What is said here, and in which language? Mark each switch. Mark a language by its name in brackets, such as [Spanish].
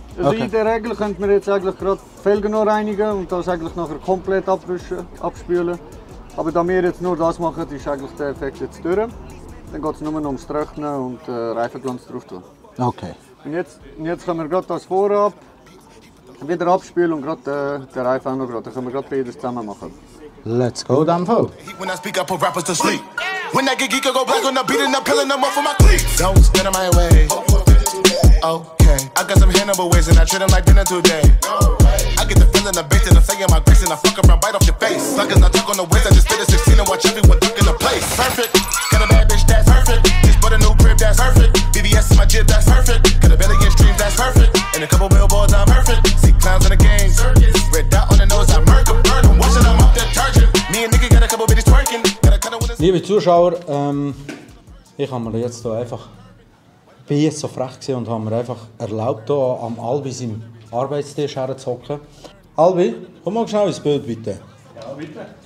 [German] Also okay. In der Regel könnte man jetzt eigentlich gerade die Felgen noch reinigen und das eigentlich nachher komplett abwischen, abspülen. Aber da wir jetzt nur das machen, ist eigentlich der Effekt jetzt durch. Dann geht es nur noch ums Trocknen und Reifenglanz drauf tun. Okay. Und jetzt können wir gerade das vorab wieder abspülen und gerade den Reifen auch noch gerade. Dann können wir gerade beides zusammen machen. [English] Let's go, damn fool. When I speak, I put rappers to sleep. When that geek, I go black on the beat and I'm pillin' them off of my cleats. Don't stand in my way. Okay. I got some Hannibal ways and I treat them like dinner today. I get the feeling of bitch and I'm saying my grace and I fuck around, bite off your face. Suckers, I talk on the ways, I just did a 16 and watch everyone duck in the place. Perfect. Got a bad bitch, that's perfect. Just bought a new crib, that's perfect. BBS in my jib, that's perfect. Got a belly get streams, that's perfect. And a couple billboards, I'm perfect. See clowns in the game. Red dot on the nose, I murk a bird. I'm washing them off that charger. Me and Nicky got a couple bitches twerking. [German] Liebe Zuschauer, ich habe mir jetzt hier einfach, bin jetzt so frech gewesen und habe mir einfach erlaubt, hier am Albi seinem Arbeitstisch herzuhocken. Albi, komm mal schnell ins Bild bitte. Ja, bitte.